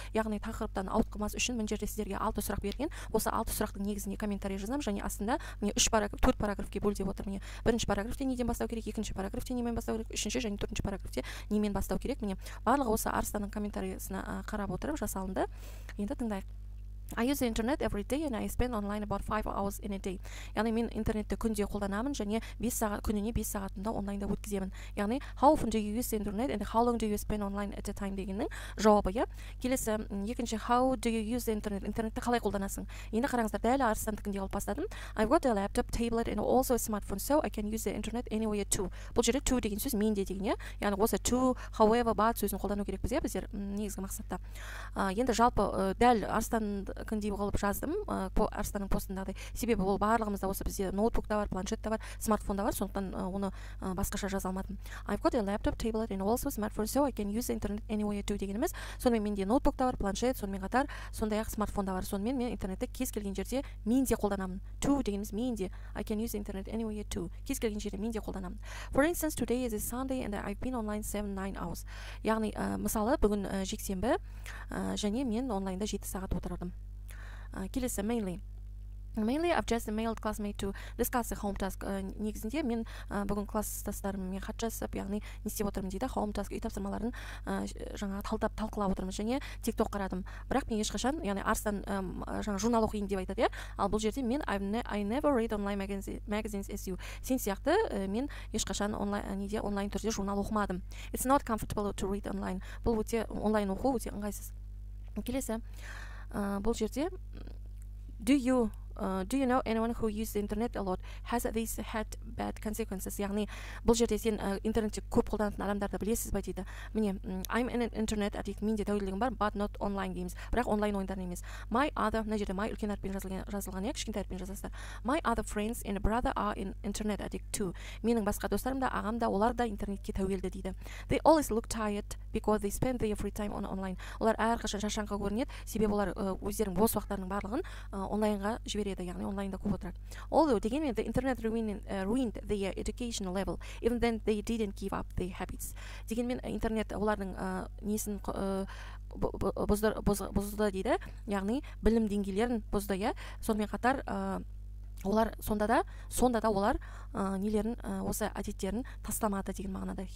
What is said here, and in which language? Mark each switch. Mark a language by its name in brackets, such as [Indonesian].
[Kazakh] Яғни тақырыптан ауытқымас үшін мен жерде сіздерге 6 сұрақ берген. Осы 6 сұрақтың негізіне комментарий жазамын және астында міне 3 параграф, 4 параграфке бөлдеп отыр міне. 1-ші параграфта неден бастау керек, 2-ші параграфта немен бастау керек, 3-ші және 4-ші параграфта немен бастау керек міне. Барлығы осы Арсланның комментариясына қарап отырып жасалынды. Енді тыңдайық. [English] I use the internet every day and I spend online about 5 hours in a day. [Kazakh] Яғни мен интернетті күнде қолданамын және 5 сағат күніне 5 сағатында онлайнда өткіземін. Яғни [English] how often do you use the internet and how long do you spend online at a time [Kazakh] дегеннің жауабы, иә? Келесі, екінші [English] how do you use the internet? [Kazakh] Интернетті қалай қолданасың? Енді қараңыздар, дәл арсандықтың деп алып бастадым. [English] I've got a laptop, tablet and also a smartphone so I can use the internet anywhere too. [Kazakh] Бұл жерде too деген сөз менде деген, иә? Яғни осы too, however, but сөзін қолдану керекпіз, иә, біздер негізгі мақсатта. Енді жалпы дәл арстан күндей болып жаздым. Арстанның постындағыдай. Себебі ол барлығымызда осы бізде ноутбукта бар, планшетте бар, смартфонда бар, сондықтан оны басқаша жаза алмадым. [English] I've got a laptop, tablet and also smartphone so I can use the internet anywhere too [Kazakh] дегеніміз. Сонымен менде ноутбукта бар, планшет, сонымен қатар сондай-ақ смартфонда бар. Сонымен мен интернетті кез келген жерде мен де қолданамын. To дегеніміз мен де. [English] I can use the internet anywhere too. [Kazakh] Кез келген жерде мен де қолданамын. [English] For instance, today is a Sunday and I've been online 7-9 hours. [Kazakh] Яғни, мысалы, бүгін жексенбі, және мен онлайнда 7 сағат отырдым. Келесі, mainly. [English] Mainly, I've just mailed classmate to discuss the home task. [Kazakh] Негізінде, мен бүгін класстастарыммен хат жазып, яғни, не істеп отырмын дейді, home task, үй тапсырмаларын жаңа талдап, талқылап отырмын, және TikTok қарадым. Бірақ мен ешқашан, яғни, арстан жаңа журнал оқиын деп айтады, ал бұл жерде мен [English] I never read online magazines as you. [Kazakh] Сен сияқты, мен ешқашан онлайн түрде журнал оқымадым. [English] It's not comfortable to read online. [Kazakh] Бұл өте онлайн оқу өте ыңғайсыз. Келесі. Бұл жерде [English] do you know anyone who uses the internet a lot? Has this had bad consequences? [Kazakh] Яғни, бұл жерде сен интернетті көп қолданатын адамдарды білесіз ба дейді. Міне, [English] I'm an internet addict. [Kazakh] Менде тәуелділігім бар, [English] but not online games. [Kazakh] Бірақ онлайн ойындар емес. [English] My other, [Kazakh] мына жерде my үлкен әріппен жазылған, иә, кішкентай әріппен жазасыздар. [English] My other friends and brother are an internet addict too. [Kazakh] Менің басқа достарым да, ағам да, олар да интернетке тәуелді дейді. [English] They always look tired because they spend their free time on online. [Kazakh] Олар әрқашан шаршаңқы көрінеді, себебі олар өздерінің бос уақыттарының барлығын онлайнға береді, яғни онлайнда көп отырады. [English] Although, [Kazakh] дегенмен, [English] the internet ruined their educational level. Even then, they didn't give up their habits. [Kazakh] Дегенмен, интернет олардың несін бұзды дейді, яғни білім деңгейлерін бұзды, иә. Сонымен қатар, олар сонда да олар нелерін осы әдеттерін тастамады деген мағынада.